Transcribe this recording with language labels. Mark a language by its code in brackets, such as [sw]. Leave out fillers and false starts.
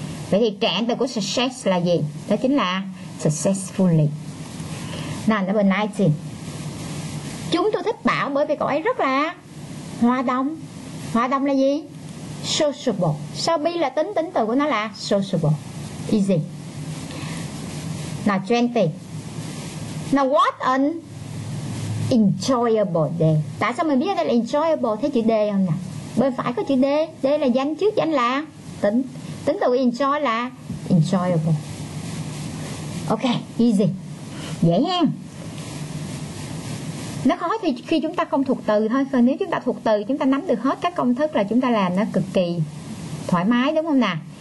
[vi] Vậy thì trạng từ của success là gì? Đó chính là successfully. Nào, [en] number 19. [vi] Chúng tôi thích Bảo bởi vì cậu ấy rất là hòa đồng. Hòa đồng là gì? Sociable. Sao bi là tính, tính từ của nó là sociable. Easy. Nào, 20. [en] Now what an enjoyable day. [vi] Tại sao mình biết đây là enjoyable? Thấy chữ D không nè? Bên phải có chữ D. D là danh, trước danh là tính. Tính từ enjoy là enjoyable. Ok, easy. Dễ nha. Nó khó thì khi chúng ta không thuộc từ thôi. Còn nếu chúng ta thuộc từ, chúng ta nắm được hết các công thức là chúng ta làm nó cực kỳ thoải mái, đúng không nào?